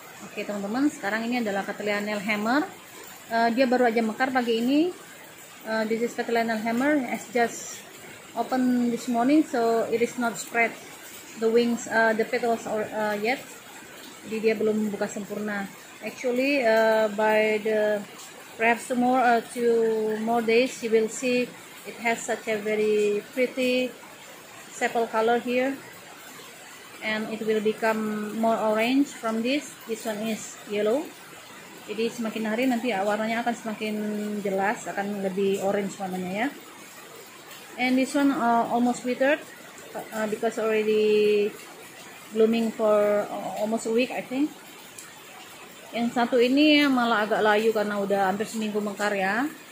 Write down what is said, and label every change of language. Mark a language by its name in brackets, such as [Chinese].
[Indonesian] Okay, teman-teman, sekarang ini adalah Cattleya Nailhammer. Dia baru aja mekar pagi ini. [English] This is Cattleya Nailhammer. It's just open this morning, so it is not spread the wings, the petals or yet. [Indonesian] Jadi dia belum buka sempurna. [English] Actually, by the perhaps tomorrow two more days, you will see it has such a very pretty sepal color here. And it will become more orange from this. This one is yellow. [Indonesian] Jadi semakin hari nanti warnanya akan semakin jelas, akan lebih orange warnanya ya. [English] And this one almost withered because already blooming for almost a week, I think. [Indonesian] Yang satu ini malah agak layu karena udah hampir seminggu mekar ya.